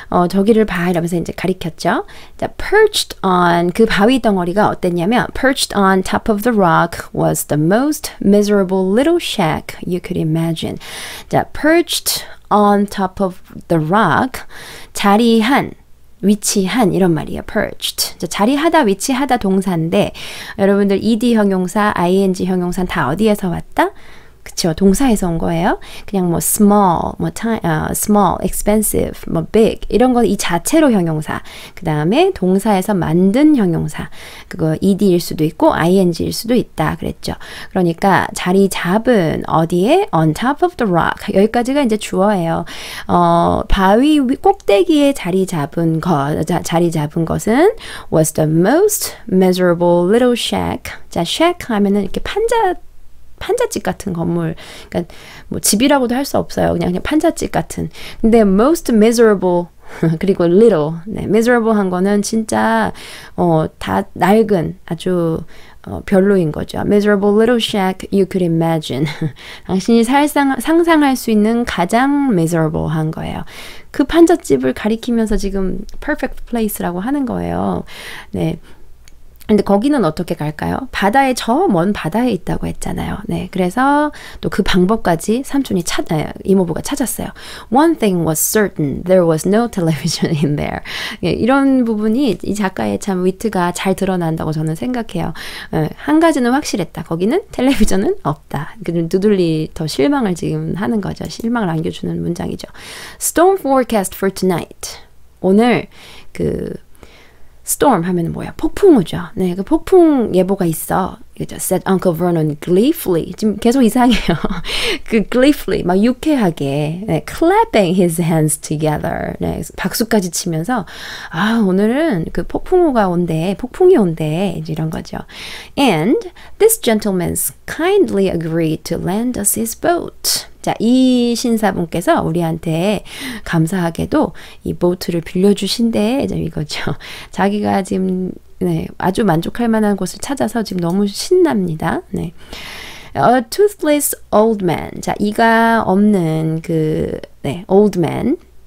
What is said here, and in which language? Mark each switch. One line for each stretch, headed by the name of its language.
Korean: 저기를 봐 이러면서 이제 가리켰죠.
English: 자, perched on
Korean: 그 바위 덩어리가 어땠냐면
English: perched on top of the rock was the most miserable little shack you could imagine. 자, perched on top of the rock
Korean: 자리한 위치한 이런 말이에요.
English: perched.
Korean: 자리하다 위치하다 동사인데 여러분들 ed 형용사, ing 형용사 다 어디에서 왔다? 그쵸. 동사에서 온 거예요. 그냥 뭐 small, 뭐 time, small, expensive, 뭐 big 이런 건이 자체로 형용사. 그 다음에 동사에서 만든 형용사. 그거 ed일 수도 있고 ing일 수도 있다 그랬죠. 그러니까 자리 잡은 어디에?
English: on top of the rock.
Korean: 여기까지가 이제 주어예요. 바위 꼭대기에 자리 잡은 것. 자리 잡은 것은
English: was the most miserable little shack.
Korean: 자, shack 하면은 이렇게 판잣집 같은 건물, 그러니까 뭐 집이라고도 할수 없어요. 그냥 판잣집 같은. 근데 most miserable 그리고 little, 네, miserable 한 거는 진짜 다 낡은 아주 별로인 거죠.
English: miserable little shack you could imagine.
Korean: 당신이 상상할 수 있는 가장 miserable 한 거예요. 그 판잣집을 가리키면서 지금 perfect place라고 하는 거예요. 네. 근데 거기는 어떻게 갈까요? 바다에 저먼 바다에 있다고 했잖아요. 네, 그래서 또그 방법까지 삼촌이 찾 아, 이모부가 찾았어요.
English: One thing was certain, there was no television in there.
Korean: 네, 이런 부분이 이 작가의 참 위트가 잘 드러난다고 저는 생각해요. 네, 한 가지는 확실했다. 거기는 텔레비전은 없다. 그좀 두들리 더 실망을 지금 하는 거죠. 실망을 안겨주는 문장이죠.
English: Storm forecast for tonight.
Korean: 오늘 그 Storm 하면 뭐야? 폭풍우죠. 네, 그 폭풍 예보가 있어. 그죠?
English: Said Uncle Vernon gleefully.
Korean: 지금 계속 이상해요. 그 gleefully 막 유쾌하게, 네,
English: clapping his hands together.
Korean: 네, 박수까지 치면서 아 오늘은 그 폭풍우가 온대, 폭풍이 온대 이제 이런 거죠.
English: And this gentleman's kindly agreed to lend us his boat.
Korean: 자, 이 신사분께서 우리한테 감사하게도 이 보트를 빌려주신대, 이거죠. 자기가 지금 네, 아주 만족할 만한 곳을 찾아서 지금 너무 신납니다. 네.
English: A toothless old man.
Korean: 자, 이가 없는 그, 네, old man.